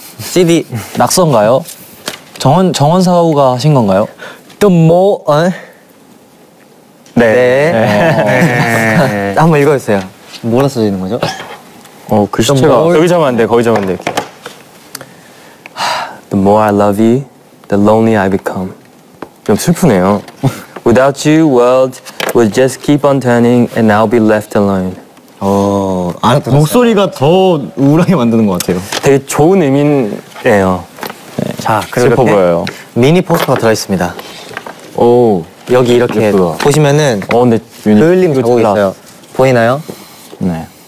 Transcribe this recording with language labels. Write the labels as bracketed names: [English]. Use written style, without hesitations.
[Korean] CD 낙서인가요? 정원 사우가 하신 건가요? 또 뭐, 어? 네. 네. 한번 읽어주세요. 뭐라 써져 있는 거죠? 글씨체가. 여기 잡으면 안 돼, 거기 잡으면 안 돼. [English] The more I love you, the lonely I become. [Korean] 좀 슬프네요. [English] Without you, world will just keep on turning and I'll be left alone. [Korean] 목소리가 더 우울하게 만드는 것 같아요. 되게 좋은 의미예요. 자, 그리고 슬퍼 이렇게 보여요. 미니 포스터가 들어있습니다. 오, 여기 이렇게 예쁘다. 보시면은 근데 로일링 적고 있어요. 보이나요? 네.